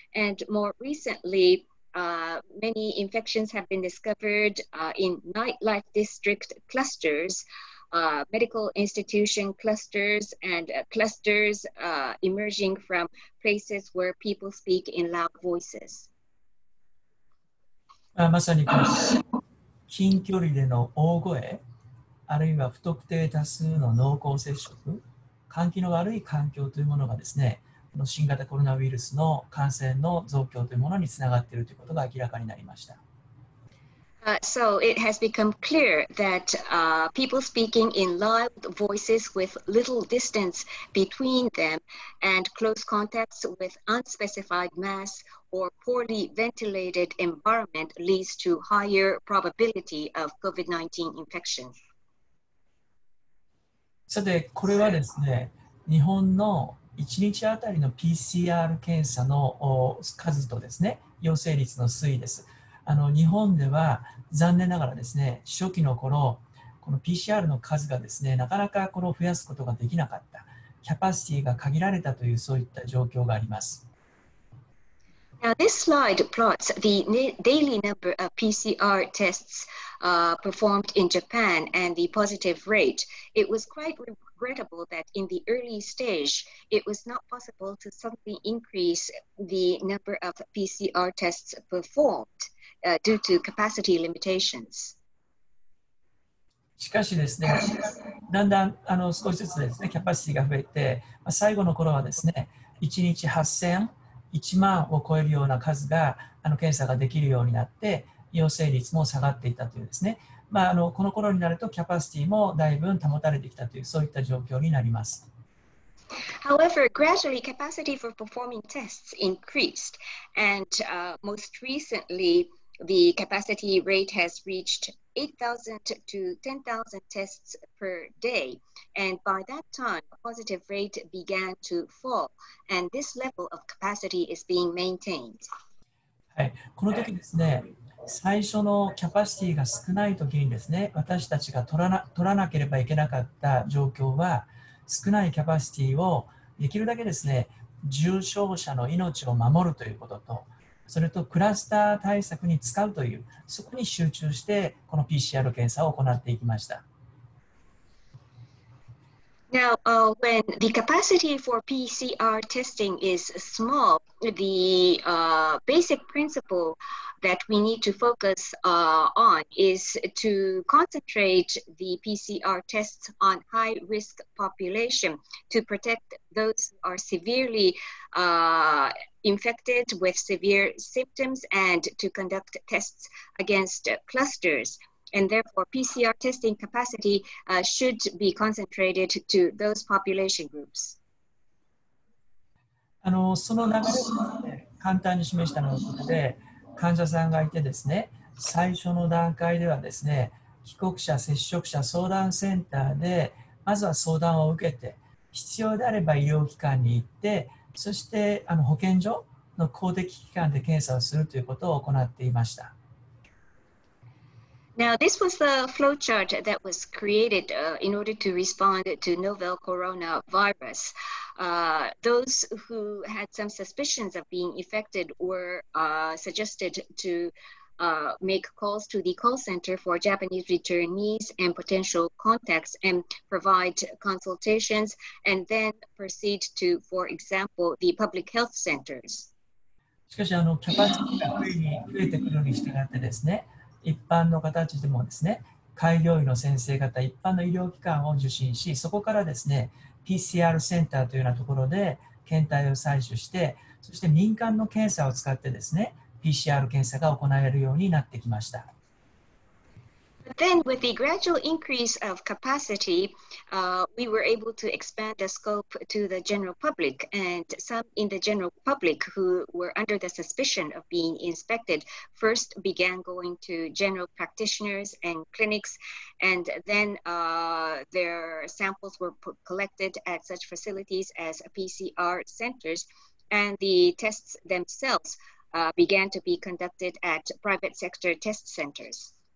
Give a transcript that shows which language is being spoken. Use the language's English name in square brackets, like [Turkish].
[English] And more recently, many infections have been discovered in nightlife district clusters, medical institution clusters, and clusters emerging from places where people speak in loud voices. [Japanese] まさにこの近距離での大声、あるいは不特定多数の濃厚接触、換気の悪い環境というものがですね、この新型コロナウイルスの感染の増強というものにつながっているということが明らかになりました。 [English] So it has become clear that people speaking in loud voices with little distance between them and close contacts with unspecified masks or poorly ventilated environment leads to higher probability of COVID-19 infection. [Japanese] さて、これはですね、日本の1日あたりの PCR 検査の数とですね、陽性率の推移です。あの日本では残念ながらですね、初期の頃この PCR の数がですね、なかなかこれを増やすことができなかった、キャパシティが限られたという、そういった状況があります。 [English] Now this slide plots the daily number of PCR tests performed in Japan and the positive rate. It was quite regrettable that in the early stage it was not possible to suddenly increase the number of PCR tests performedDue to capacity limitations. [Japanese] しかしですね、だんだん少しずつですね、キャパシティが増えて、最後の頃はですね、1日8000、1万を超えるような数が検査ができるようになって、陽性率も下がっていたというですね、この頃になるとキャパシティもだいぶ保たれてきたという、そういった状況になります。 [English] However, gradually capacity for performing tests increased, and most recently, the capacity rate has reached 8,000 to 10,000 tests per day. And by that time, positive rate began to fall, and this level of capacity is being maintained. [Japanese] はい、この時ですね、最初のキャパシティが少ない時にですね、私たちが取らなければいけなかった状況は、少ないキャパシティをできるだけですね、重症者の命を守るということと、それとクラスター対策に使うという、そこに集中してこの PCR 検査を行っていきました。 [English] Now, when the capacity for PCR testing is small, the basic principle that we need to focus on is to concentrate the PCR tests on high-risk population to protect those who are severely infected with severe symptoms and to conduct tests against clusters. And therefore, PCR testing capacity should be concentrated to those population groups. [Japanese] その流れを簡単に示したのので、患者さんがいてですね、最初の段階ではですね、帰国者、接触者相談センターで、まずは相談を受けて、必要であれば医療機関に行って、そして保健所の公的機関で検査をするということを行っていました。 [English] Now, this was the flowchart that was created in order to respond to novel coronavirus. Those who had some suspicions of being infected were suggested to make calls to the call center for Japanese returnees and potential contacts and provide consultations and then proceed to, for example, the public health centers. [Japanese] しかし、キャパシティが増えてくるにしたがってですね、一般の方たちでもですね、開業医の先生方、一般の医療機関を受診し、そこからですね、PCR センターというようなところで検体を採取して、そして民間の検査を使ってですね、PCR 検査が行えるようになってきました。 [English] But then with the gradual increase of capacity, we were able to expand the scope to the general public and some in the general public who were under the suspicion of being infected first began going to general practitioners and clinics and then their samples were collected at such facilities as PCR centers and the tests themselves began to be conducted at private sector test centers.